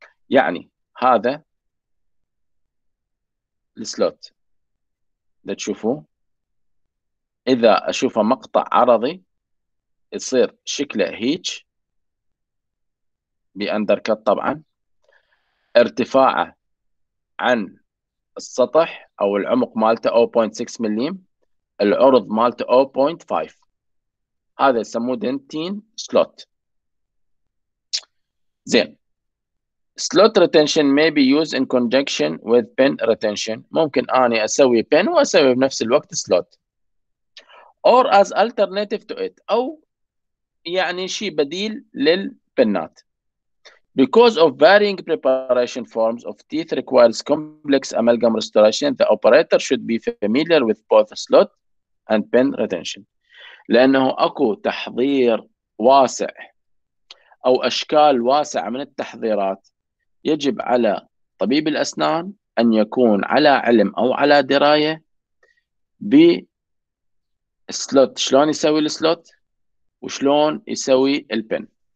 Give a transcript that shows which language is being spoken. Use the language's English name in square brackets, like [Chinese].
[Arabic] يعني هذا السلوت اللي تشوفوه اذا اشوفه مقطع عرضي يصير شكله هيج بأندر كات، طبعا ارتفاعه عن السطح او العمق مالته 0.6 مليم، العرض مالته 0.5، هذا يسموه دنتين سلوت. زين. [English] slot retention may be used in conjunction with pin retention. [Arabic] ممكن أني أسوي pin وأسوي بنفس الوقت slot. [English] or as alternative to it. [Arabic] أو يعني شيء بديل للبنات. [English] Because of varying preparation forms of teeth requires complex amalgam restoration, the operator should be familiar with both slot and pin retention. [Arabic] لأنه أكو تحضير واسع أو أشكال واسعة من التحضيرات، يجب على طبيب الأسنان أن يكون على علم أو على دراية بسلوت، شلون يسوي السلوت وشلون يسوي البن.